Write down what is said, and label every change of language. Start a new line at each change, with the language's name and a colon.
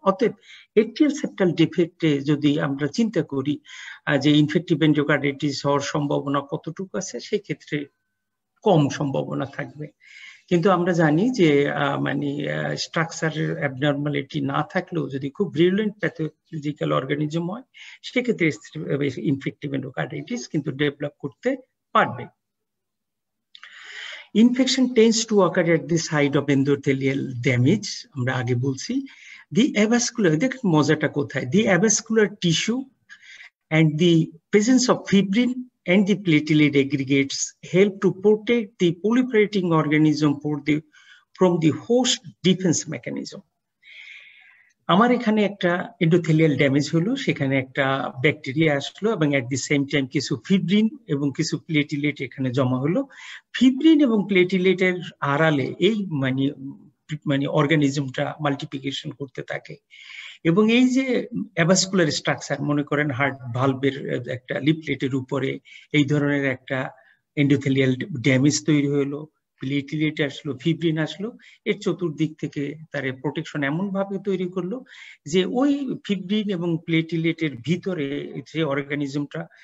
Bangla: অতএব atrial septal ডিফেক্টে যদি আমরা চিন্তা করি যে ইনফেক্টিভ এন্ডোকার্ডাইটিস হওয়ার সম্ভাবনা কতটুকু আছে, সেক্ষেত্রে কম সম্ভাবনা থাকবে। কিন্তু আমরা জানি যে মানে স্ট্রাকচারের অ্যাবনর্মালিটি না থাকলেও যদি খুব ভিরুলেন্ট প্যাথোলজিক্যাল অর্গানিজম হয় সেক্ষেত্রে ইনফেক্টিভ এন্ডোকার্ডাইটিস কিন্তু ডেভেলপ করতে পারবে।
English: Infection tends to occur at the site of endothelial damage.
Bangla: আমরা আগে বলছি,
English: the avascular,
Bangla: দেখ মজাটা কোথায়,
English: the avascular tissue and the presence of fibrin and the platelet aggregates help to protect the proliferating organism from the host defense mechanism.
Bangla: আমার এখানে একটা endothelial damage হলো, সেখানে একটা bacteria আসলো এবং
English: at the same time
Bangla: কিছু fibrin এবং কিছু platelet এখানে জমা হলো. Fibrin এবং platelet এর আড়ালে এই মানে মানে অর্গানিজমটা মাল্টিপ্লিকেশন করতে থাকে এবং এই যে অ্যাভাসকুলার স্ট্রাকচার, মনে করেন হার্ট ভালভের একটা লিফলেটের উপরে এই ধরনের একটা এন্ডোথেলিয়াল ড্যামেজ তৈরি হলো, প্লেটিলেট আসলো, ফিব্রিন আসলো, এর চতুর্দিক থেকে তার প্রোটেকশন এমন ভাবে তৈরি করলো যে ওই ফিব্রিন এবং প্লেটিলেটের ভিতরে যে অর্গানিজমটা